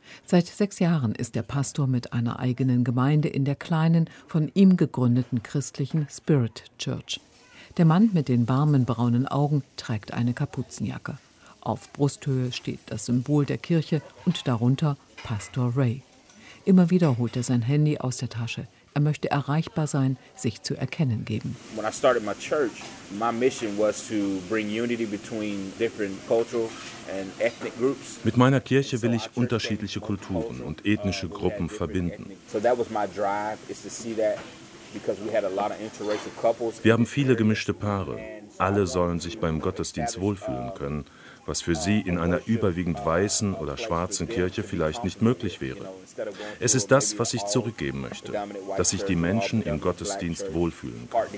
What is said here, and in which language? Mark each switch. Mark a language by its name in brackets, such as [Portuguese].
[German] Seit 6 Jahren ist er Pastor mit einer eigenen Gemeinde in der kleinen, von ihm gegründeten christlichen Spirit Church. Der Mann mit den warmen braunen Augen trägt eine Kapuzenjacke. Auf Brusthöhe steht das Symbol der Kirche und darunter Pastor Ray. Immer wieder holt er sein Handy aus der Tasche. Er möchte erreichbar sein, sich zu erkennen geben. [English] When I started my church, my mission was to bring unity between different cultural and ethnic groups. [German] Mit meiner Kirche will ich unterschiedliche Kulturen und ethnische Gruppen verbinden. [English] So that was my drive, is to see that because we had a lot of interracial couples. [German] Wir haben viele gemischte Paare. Alle sollen sich beim Gottesdienst wohlfühlen können, was für sie in einer überwiegend weißen oder schwarzen Kirche vielleicht nicht möglich wäre. Es ist das, was ich zurückgeben möchte, dass sich die Menschen im Gottesdienst wohlfühlen